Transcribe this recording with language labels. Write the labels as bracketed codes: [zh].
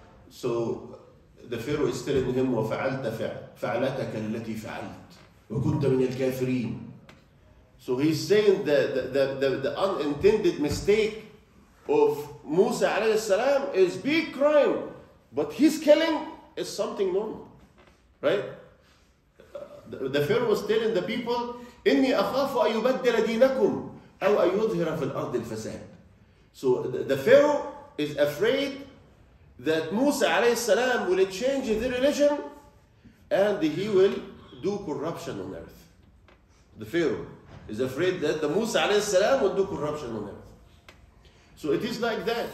[en] So the Pharaoh is telling him, [ar] وَفَعَلْتَ فَعْلَتَكَ الَّتِي فَعَلْتَ. وكنت من الكافرين. [en] So he's saying the unintended mistake of Musa عليه السلام is big crime, but his killing is something normal, right? The Pharaoh was telling the people, [ar] إني أخاف أن يبدل دينكم أو أن يظهر في الأرض الفساد. [en] So the Pharaoh is afraid that Musa عليه السلام will change the religion and he will do corruption on earth. The Pharaoh is afraid that the Musa عليه السلام will do corruption on earth. So it is like that.